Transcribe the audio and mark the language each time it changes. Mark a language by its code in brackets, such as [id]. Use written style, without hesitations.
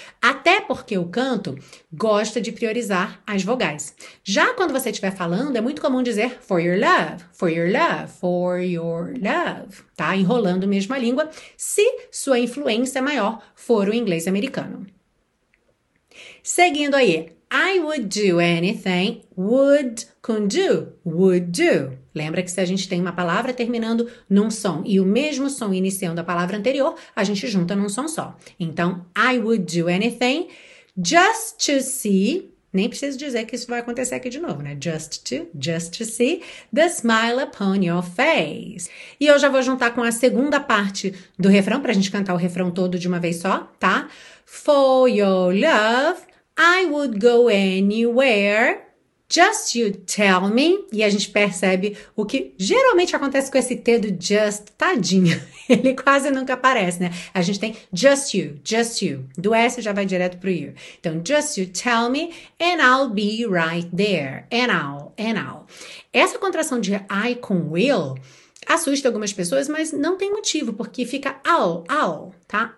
[pt] Até porque o canto gosta de priorizar as vogais. Já quando você estiver falando, é muito comum dizer [en] for your love, for your love, for your love. [pt] Tá enrolando mesmo a língua, se sua influência maior for o inglês americano. [en] Seguindo aí, I would do anything, would com do, would do. [pt] Lembra que se a gente tem uma palavra terminando num som e o mesmo som iniciando a palavra anterior, a gente junta num som só. Então, [en] I would do anything just to see, [pt] nem preciso dizer que isso vai acontecer aqui de novo, né? [en] Just to see the smile upon your face. [pt] E eu já vou juntar com a segunda parte do refrão, pra gente cantar o refrão todo de uma vez só, tá? [en] For your love, I would go anywhere, just you tell me. [pt] E a gente percebe o que geralmente acontece com esse T do just, tadinho. Ele quase nunca aparece, né? A gente tem just you. Do S já vai direto pro you. [en] Então, just you tell me and I'll be right there. And I'll. [pt] Essa contração de I com will assusta algumas pessoas, mas não tem motivo, porque fica I'll, tá?